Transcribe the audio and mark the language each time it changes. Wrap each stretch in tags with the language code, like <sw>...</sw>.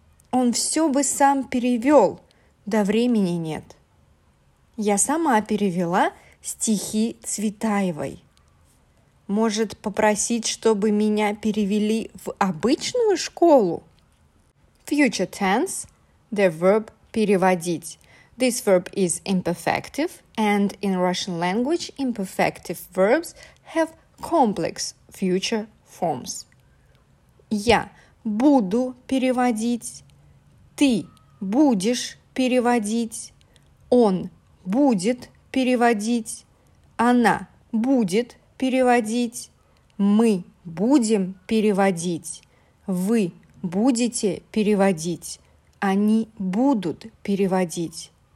<ru>Он все бы сам перевел, да времени нет. Я сама перевела стихи Цветаевой. Может, попросить, чтобы меня перевели в обычную школу?</ru> <en>Future tense, the verb переводить. This verb is imperfective, and in Russian language, imperfective verbs have complex future forms.</en> <ru>Я буду переводить, ты будешь переводить, он будет переводить, она будет переводить, мы будем переводить, вы будете переводить, они будут переводить.</ru>